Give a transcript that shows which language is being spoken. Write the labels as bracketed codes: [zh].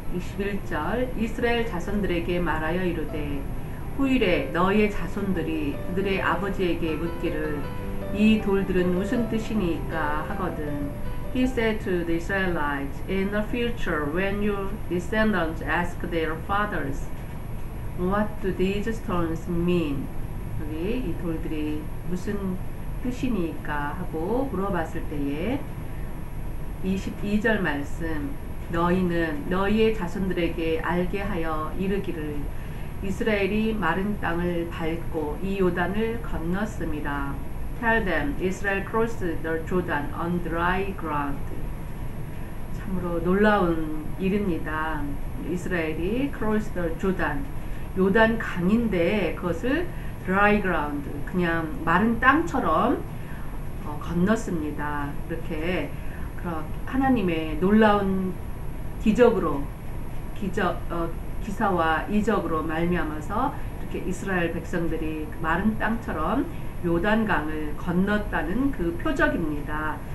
[ko] 21절 이스라엘 자손들에게 말하여 이르되 후일에 너희의 자손들이 그들의 아버지에게 묻기를 이 돌들은 무슨 뜻이니까 하거든. [en] He said to the Israelites, In the future, when your descendants ask their fathers, What do these stones mean? [ko] 여기 이 돌들이 무슨 뜻이니까 하고 물어봤을 때에 22절 말씀, 너희는 너희의 자손들에게 알게 하여 이르기를 이스라엘이 마른 땅을 밟고 이 요단을 건넜습니다. [en] Tell them, Israel crossed the Jordan on dry ground. [ko] 참으로 놀라운 일입니다. 이스라엘이 [en] crossed the Jordan, [ko] 요단 강인데 그것을 [en] dry ground, [ko] 그냥 마른 땅처럼 건넜습니다. 이렇게 하나님의 놀라운 기사와 이적으로 말미암아서 이렇게 이스라엘 백성들이 마른 땅처럼 요단강을 건넜다는 그 표적입니다.